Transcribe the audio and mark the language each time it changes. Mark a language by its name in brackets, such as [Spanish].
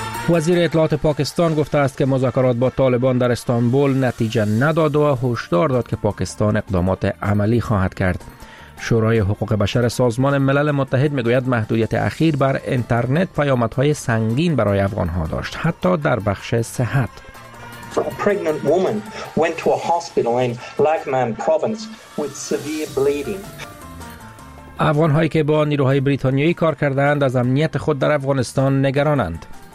[Persian] وزیر اطلاعات پاکستان گفته است که مذاکرات با طالبان در استانبول نتیجه نداد و هشدار داد که پاکستان اقدامات عملی خواهد کرد. شورای حقوق بشر سازمان ملل متحد میگوید محدودیت اخیر بر اینترنت پیامدهای سنگین برای افغان‌ها داشت، حتی در بخش صحت. [English] A pregnant woman went to a hospital in Lagman province with severe bleeding. [Persian] افغان‌هایی که با نیروهای بریتانیایی کار کرده‌اند از امنیت خود در افغانستان نگرانند.